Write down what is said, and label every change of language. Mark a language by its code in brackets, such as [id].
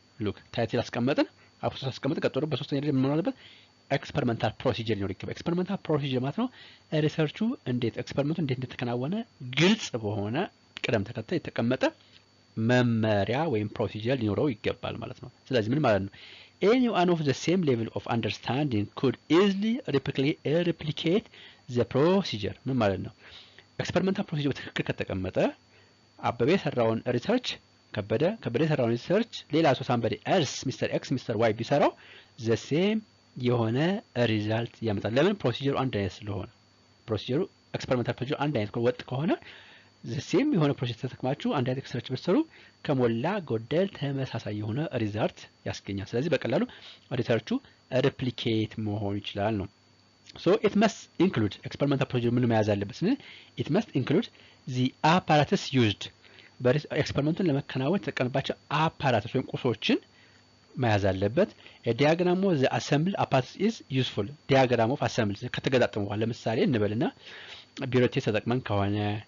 [am] Look, title አስቀምጠን አፕሮሰስ አስቀምጠን ቀጥሎ በሶስተኛ ደረጃ ምን ማለት experimental procedure ነው። ይከብ experimental procedure ማለት ነው ሪሰርቹ እንዴት ኤክስፐሪመንቱ እንዴት እንደተከናወነ ግልጽ በሆነ ቅደም ተከተል የተቀመጠ መመሪያ ወይም procedure ሊኖረው ይገባል ማለት ነው። ስለዚህ ምን ማለት ነው? [en] Anyone of the same level of understanding could easily replicate the procedure. [am] ምን ማለት ነው? experimental procedure በትክክል ከተቀመጠ አበበ የሰራውን ሪሰርች ከበደ የሰራውን ሪሰርች ሌላ ሰው somebody else Mr. [en] X Mr. [am] Y ቢሰራው the same የሆነ result ያመጣል። ለምን? ፕሮሲጀሩ አንድ አይነት ስለሆነ ፕሮሲጀሩ ኤክስፐሪመንታል ፕሮሲጀሩ አንድ አይነት ወጥ ከሆነ the same የሆነ ፕሮሲጀር ተጠቅማችሁ አንድ አይነት ሪሰርች ብትሰሩ ከሞላ ጎደል ተመሳሳይ የሆነ result ያስገኛል። ስለዚህ በቀላሉ ሪሰርቹ replicate መሆን ይችላል ነው [en] so it must include experimental procedure [am] ምን መያዝ አለበት ስንል [en] it must include the apparatus used [am] በሪስ ኤክስፐሪመንቱን ለመከናወን ተቀንባቸው አፓራተስ ወይም ቁሶችን መያዝ አለበት [en] a diagram of the assembly apparatus is useful [am] diagram of assembly ከተገጣጠመ በኋላ ለምሳሌ እንበልና ቢሮ ቴስ ተጠቅመን ከሆነ